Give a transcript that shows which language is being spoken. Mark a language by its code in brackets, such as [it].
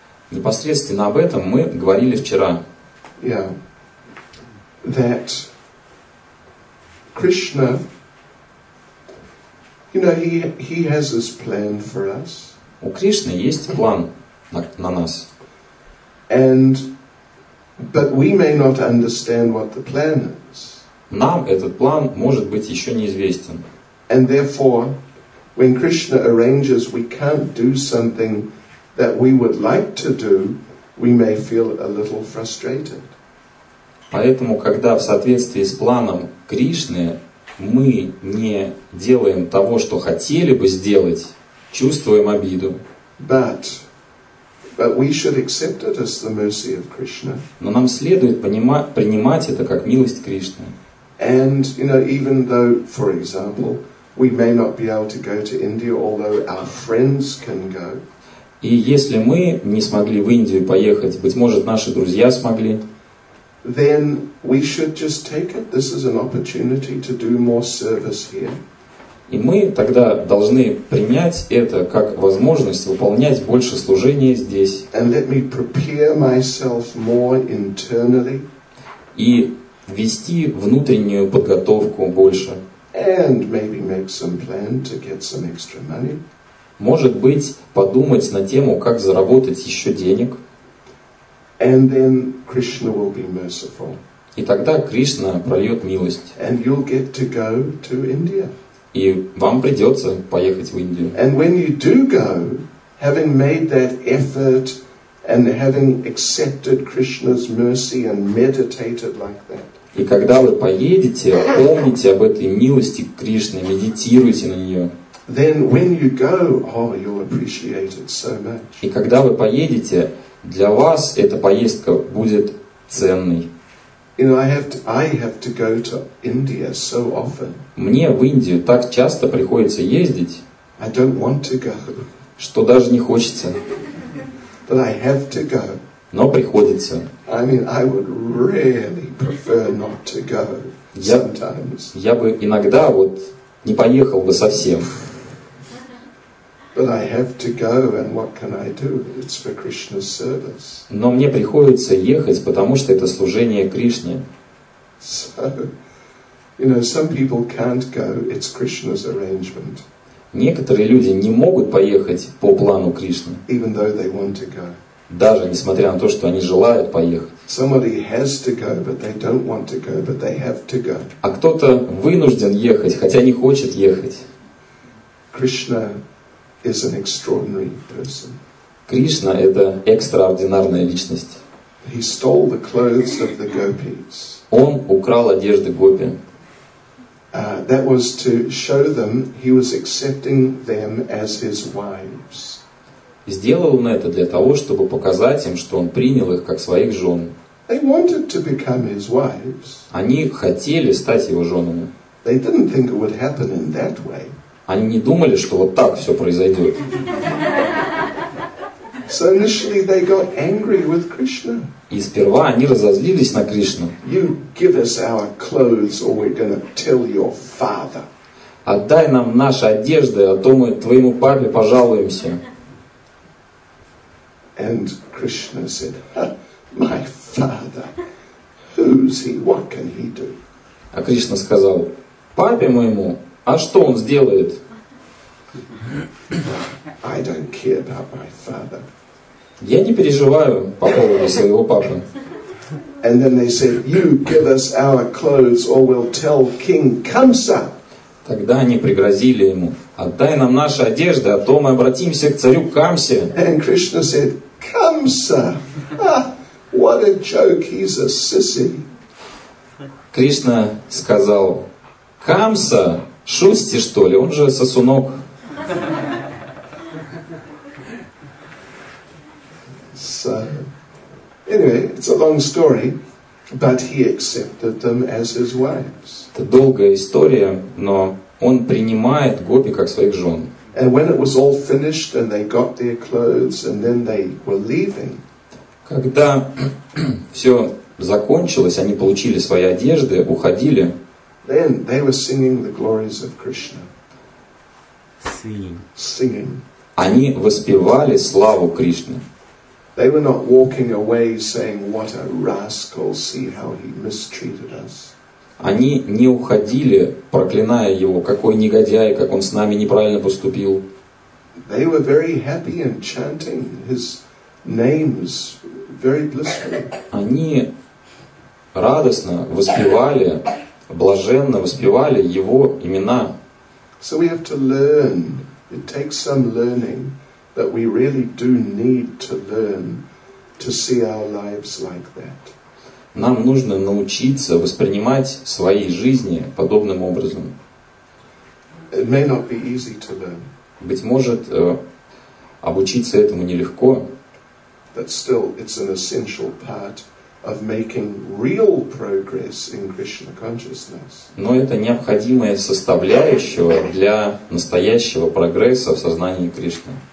[ru] Непосредственно об этом мы говорили вчера. [en] Yeah. That Krishna, you know, he has his plan for us. [ru] У Кришны есть план на нас. [en] And but we may not understand what the plan is. [ru] Нам этот план может быть еще неизвестен. [en] And therefore, when Krishna arranges, we can't do something that we would like to do. We may feel a little frustrated. [ru] Поэтому, когда в соответствии с планом Кришны мы не делаем того, что хотели бы сделать, чувствуем обиду. [en] But we should accept it as the mercy of Krishna. [ru] Но нам следует принимать это как милость Кришны. [en] And, you know, even though, for example, we may not be able to go to India, although our friends can go. [ru] И если мы не смогли в Индию поехать, быть может, наши друзья смогли, [en] then we should just take it. This is an opportunity to do more service here. [ru] И мы тогда должны принять это как возможность выполнять больше служения здесь. [en] And let me prepare myself more internally. [ru] И вести внутреннюю подготовку больше. [en] And maybe make some plan to get some extra money. [ru] Может быть, подумать на тему, как заработать еще денег. [en] And then Krishna will be merciful. [ru] И тогда Кришна прольет милость. [en] And you'll get to go to India. [ru] И вам придется поехать в Индию. [en] And when you do go, having made that effort and having accepted Krishna's mercy and meditated like that. [ru] И когда вы поедете, помните об этой милости Кришны, медитируйте на нее. [en] Then when you go, oh, you'll appreciate it so much. [ru] И когда вы поедете, для вас эта поездка будет ценной. [en] You know, I have to go to India so often. [ru] Мне в Индию так часто приходится ездить, [en] I don't want to go. [ru] Что даже не хочется. [en] But I have to go. [ru] Но приходится. [en] I mean, I would really prefer not to go sometimes. [ru] Я бы иногда вот не поехал бы совсем. [en] But I have to go, and what can I do? It's for Krishna's service. [ru] Но мне приходится ехать, потому что это служение Кришне. [en] So, you know, some people can't go. It's Krishna's arrangement. [ru] Некоторые люди не могут поехать по плану Кришны. [en] Even though they want to go. [ru] Даже несмотря на то, что они желают поехать. [en] Somebody has to go, but they don't want to go, but they have to go. [ru] А кто-то вынужден ехать, хотя не хочет ехать. [en] Krishna is an extraordinary person. [ru] Кришна — это экстраординарная личность. [en] He stole the clothes of the gopis. [ru] Он украл одежды гопи. [en] That was to show them he was accepting them as his wives. [ru] Сделал он это для того, чтобы показать им, что он принял их как своих жен. [en] They wanted to become his wives. [ru] Они хотели стать его женами. [en] They didn't think it would happen in that way. [ru] Они не думали, что вот так все произойдет. [en] So initially they got angry with Krishna. [ru] И сперва они разозлились на Кришну. [en] You give us our clothes, or we're gonna tell your father. [ru] Отдай нам наши одежды, а то мы твоему папе пожалуемся. [en] And Krishna said, my father, who's he? What can he do? [ru] А Кришна сказал, папе моему, а что он сделает? [en] I don't care about my father. [ru] Я не переживаю по поводу своего папы. [en] And then they said, you give us our clothes or we'll tell King Kamsa. [ru] Тогда они пригрозили ему, отдай нам наши одежды, а то мы обратимся к царю Камсе. [en] And Krishna said, Kamsa, what a joke, he's a sissy. [ru] Кришна сказал, Камса, шусти что ли, он же сосунок. [en] Anyway, it's a long story, but he accepted them as his wives. [ru] Это долгая история, но он принимает гопи как своих жен. [en] And when it was all finished and they got their clothes and then they were leaving. [ru] Когда все закончилось, они получили свои одежды, уходили. [en] Then they were singing the glories of Krishna. Singing. Singing. [ru] Они воспевали славу Кришны. [en] They were not walking away saying, "What a rascal! See how he mistreated us." [ru] Они не уходили, проклиная его, какой негодяй, как он с нами неправильно поступил. [en] They were very happy and chanting his names very blissfully. [ru] Они радостно воспевали, блаженно воспевали его имена. [en] So we have to learn. It takes some learning. That we really do need to learn to see our lives like that. [ru] Нам нужно научиться воспринимать свои жизни подобным образом. [en] It may not be easy to learn. [ru] Быть может, обучиться этому нелегко. [en] But still, it's an essential part of making real progress in Krishna consciousness. [ru] Но это необходимая составляющая для настоящего прогресса в сознании Кришны.